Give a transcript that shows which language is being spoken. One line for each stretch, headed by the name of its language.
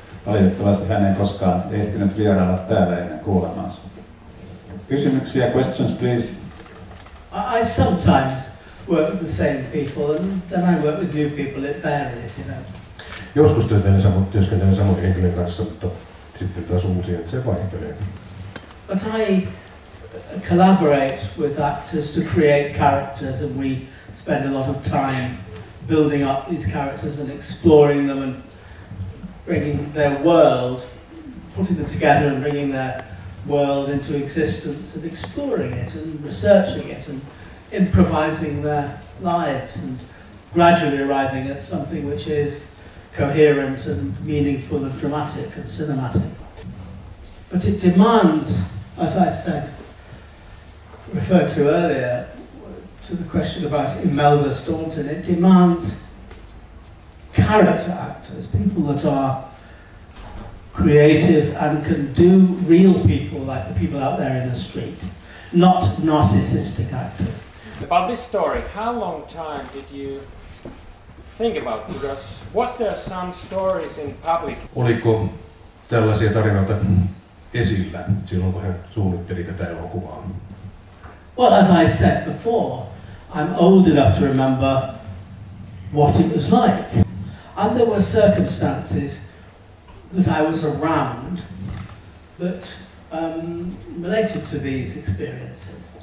Finnish: Valitettavasti hän ei koskaan ehtinyt vierailla täällä ennen kuulemansa. Kysymyksiä,
English: questions please. I sometimes work with the same people, and then I work with new people, it varies, you know.
Finnish: Joskus työskentelen samoin henkilön kanssa, mutta sitten taas uusia, että se vaihtelee.
English: But I collaborate with actors to create characters, and we spend a lot of time building up these characters and exploring them and bringing their world, putting them together and bringing their world into existence and exploring it and researching it and improvising their lives and gradually arriving at something which is coherent and meaningful and dramatic and cinematic. But it demands, as I said, referred to earlier, to the question about Imelda Staunton, it demands character actors, people that are creative and can do real people like the people out there in the street, not narcissistic actors. About this story, how long time did you think about it? Because was there some stories in public?
Finnish: Oliko tällaisia tarinoita esillä silloin, kun he suunnitteli tätä elokuvaa?
English: Well, as I said before, I'm old enough to remember what it was like. And there were circumstances that I was around that related to these experiences.